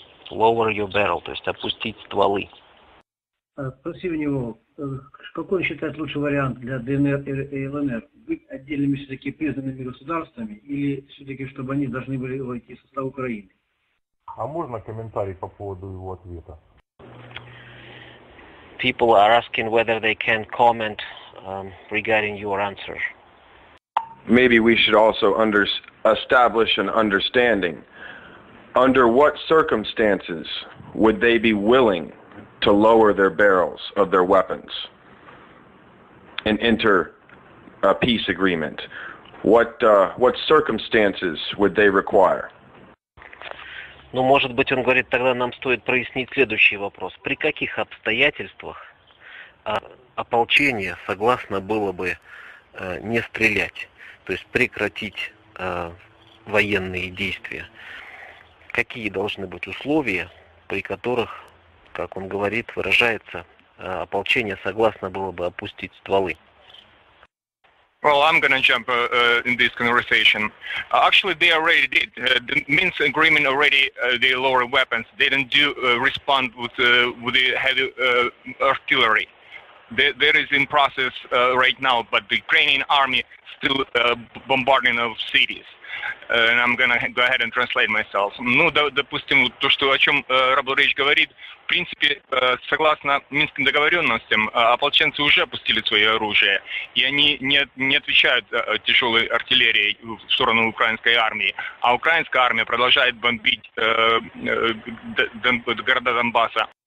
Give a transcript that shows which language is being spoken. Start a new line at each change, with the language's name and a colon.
English: Lower your barrel,
Russian: то есть опустить стволы. Спроси у него, какой он считает лучший вариант для ДНР и ЛНР? Быть отдельными все-таки признанными государствами или все-таки, чтобы они должны были войти в состав Украины? А можно комментарий по поводу его ответа?
English: People are asking whether they can comment regarding your answer. Maybe we should also establish an understanding. Under what circumstances would they be willing to lower their barrels of their weapons and enter a peace agreement? What circumstances would they require?
Russian: Ну, может быть, он говорит, тогда нам стоит прояснить следующий вопрос. При каких обстоятельствах ополчение согласно было бы не стрелять, то есть прекратить военные действия? Какие должны быть условия, при которых, как он говорит, выражается, ополчение согласно было бы опустить стволы?
English: Well, I'm going to jump in this conversation. Actually, they already did. The Minsk agreement already, they lowered weapons. They didn't do respond with the heavy artillery. There is in process right now, but the Ukrainian army still bombarding of cities. And I'm going to go ahead and translate myself.
Russian: Ну, допустим, то, что о чем Рабл Рейдж говорит, в принципе, согласно Минским договоренностям, ополченцы уже опустили свое оружие, и они не отвечают тяжелой артиллерией в сторону украинской армии, а украинская армия продолжает бомбить города Донбасса.